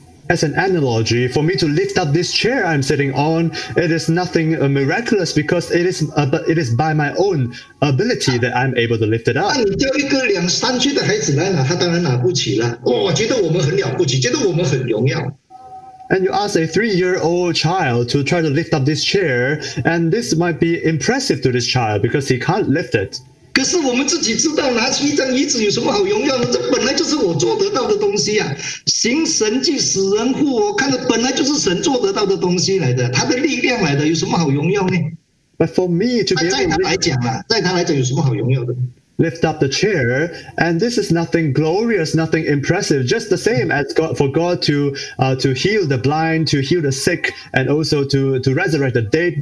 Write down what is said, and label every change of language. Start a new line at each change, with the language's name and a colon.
English: As an analogy, for me to lift up this chair I'm sitting on, it is nothing miraculous because it is by my own ability that I'm able to lift it up.
Chinese: 那你叫一个两三岁的孩子来拿，他当然拿不起了。我觉得我们很了不起，觉得我们很荣耀。
English: And you ask a three-year-old child to try to lift up this chair, and this might be impressive to this child because he can't lift it.
Chinese: 可是我们自己知道拿起一张椅子有什么好荣耀呢？这本来就是我做得到的东西呀！行神迹使人复活，看着本来就是神做得到的东西来的，他的力量来的，有什么好荣耀呢？
English: But for me to be able to lift up the chair, and this is nothing glorious, nothing impressive, just the same as God, for God to heal the blind, to heal the sick, and also to resurrect the dead.